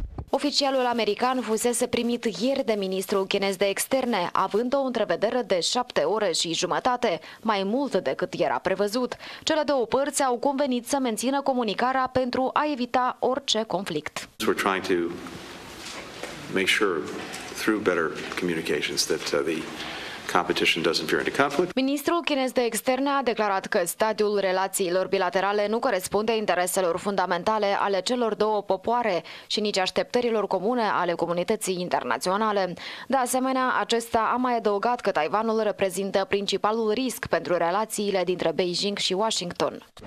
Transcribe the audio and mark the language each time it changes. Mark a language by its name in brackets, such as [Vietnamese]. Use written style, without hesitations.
[Romanian] Oficialul american fusese primit ieri de ministrul chinez de externe, având o întrevedere de 7 ore și jumătate, mai mult decât era prevăzut. Cele două părți au convenit să mențină comunicarea pentru a evita orice conflict. [English] We're trying to make sure through better communications that the competition doesn't veer into conflict. [Romanian] Ministrul chinez de externe a declarat că stadiul relațiilor bilaterale nu corespunde intereselor fundamentale ale celor două popoare și nici așteptărilor comune ale comunității internaționale. De asemenea, acesta a mai adăugat că Taiwanul reprezintă principalul risc pentru relațiile dintre Beijing și Washington.